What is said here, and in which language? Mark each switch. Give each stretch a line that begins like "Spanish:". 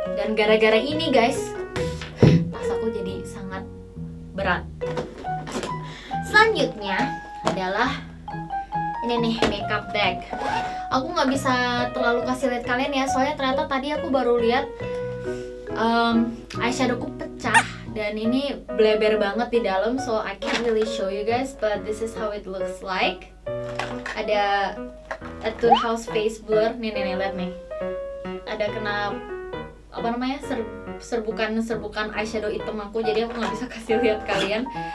Indonesian: Dan gara-gara ini guys, tas aku jadi sangat berat. Selanjutnya adalah ini nih, makeup bag. Aku gak bisa terlalu kasih lihat kalian ya, soalnya ternyata tadi aku baru lihat eyeshadowku pecah. Dan ini bleber banget di dalam,
English: so I can't really show you guys, but this is how it looks like.
Indonesian: Ada Etude House face blur, nih lihat nih. Ada kena apa namanya serbukan eyeshadow hitam aku, jadi aku nggak bisa kasih lihat kalian.